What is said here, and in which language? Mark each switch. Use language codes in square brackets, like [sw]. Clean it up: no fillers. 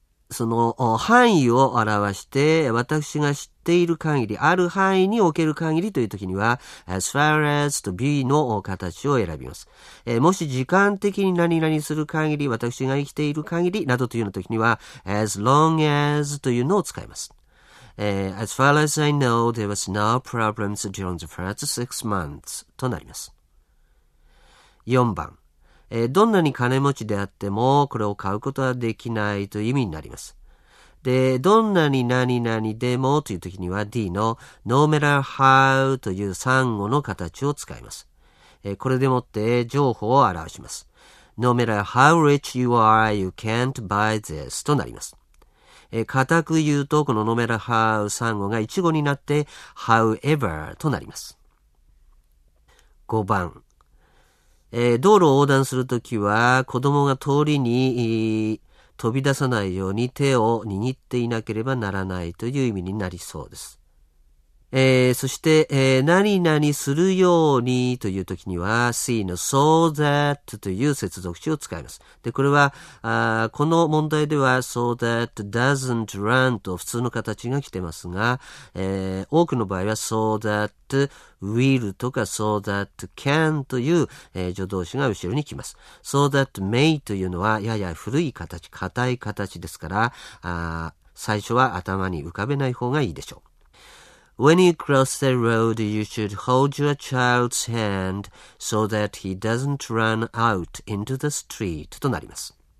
[ja] その範囲を表して、私が知っている限り、ある範囲における限りというときには、 [en] as far as [ja] と B の形を選びます。もし時間的に何々する限り、私が生きている限りなどというのときには、as long as というのを使います。 [en] As far as I know, there was no problems during the first 6 months [ja] となります。 4番。どんなに金持ちであっても、これを買うことはできないという意味になります。で、どんなに何々でもというときには D の [en] No matter how [ja] という3語の形を使います。これでもって情報を表します。 [en] No matter how rich you are, you can't buy this [ja] となります。固く言うと、この No matter how 3語が1語になって However となります。5番。道路を横断するときは子供が通りに飛び出さないように手を握っていなければならないという意味になりそうです。そして、何々するようにというときには C の so that という接続詞を使います。で、これは、この問題では [en] so that doesn't run [ja] と普通の形が来てますが、多くの場合は [en] so that will [ja] とか [en] so that can [ja] という、助動詞が後ろに来ます。 [en] so that may [ja] というのはやや古い形、硬い形ですから、最初は頭に浮かべない方がいいでしょう。 [en] When you cross the road, you should hold your child's hand so that he doesn't run out into the street [ja] となります。